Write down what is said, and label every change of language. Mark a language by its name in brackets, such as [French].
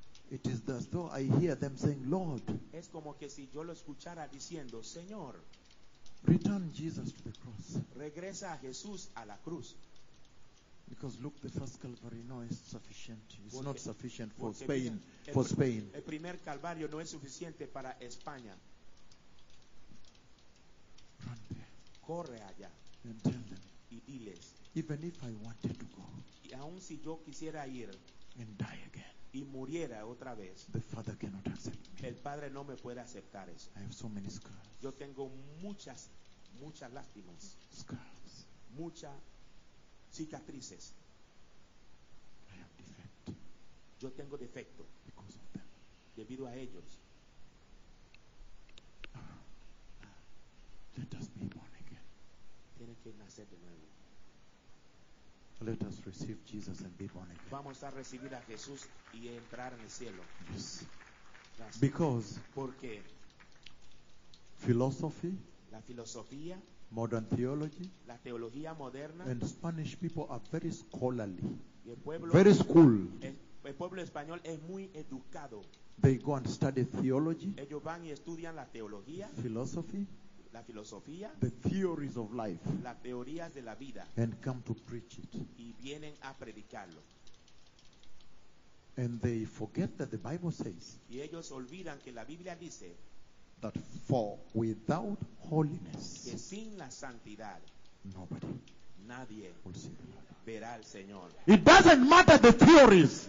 [English] It is as though I hear them saying, Lord. [Spanish] Es como que si yo lo escuchara diciendo, Señor. [English] Return Jesus to the cross. [Spanish] Regresa a Jesús a la cruz. [English] Because look, the first Calvary, no, is sufficient. It's porque, not sufficient for Spain. Mira, for Spain. [Spanish] El primer Calvario no es suficiente para España. [English] Run there. [Spanish] Corre allá. [English] And tell them. [Spanish] Y diles. [English] Even if I wanted to go. [Spanish] Y aun si yo quisiera ir. [English] And die again. [Spanish] Y muriera otra vez. [English] The Father cannot accept me. [Spanish] El Padre no me puede aceptar eso. [English] I have so many scars. [Spanish] Yo tengo muchas, muchas lástimas. [English] Scars. [Spanish] Muchas cicatrices. [English] I have defect. [Spanish] Yo tengo defecto. [English] Because of them. [Spanish] Debido a ellos. [English] Let us be born again. [Spanish] Tiene que nacer de nuevo. [English] Let us receive Jesus and be born again. [Spanish] Vamos a recibir a Jesús y entrar en el cielo. [English] Yes. Gracias. Because. [Spanish] Porque. [English] Philosophy. [Spanish] La filosofía. [English] Modern theology. [Spanish] La teología moderna. [English] And Spanish people are very scholarly. [Spanish] Y el pueblo, [English] very schooled. [Spanish] El pueblo español es muy educado. [English] They go and study theology. [Spanish] Ellos van y estudian la teología. [English] Philosophy. [Spanish] La filosofía, [English] the theories of life, [Spanish] las teorías de la vida, [English] and come to preach it, [Spanish] y vienen a predicarlo, [English] and they forget that the Bible says, [Spanish] y ellos olvidan que la Biblia dice, [English] that for without holiness, [Spanish] que sin la santidad, [English] nobody, [Spanish] nadie, [English] will see the Lord. [Spanish] Verá al Señor. [English] It doesn't matter the theories,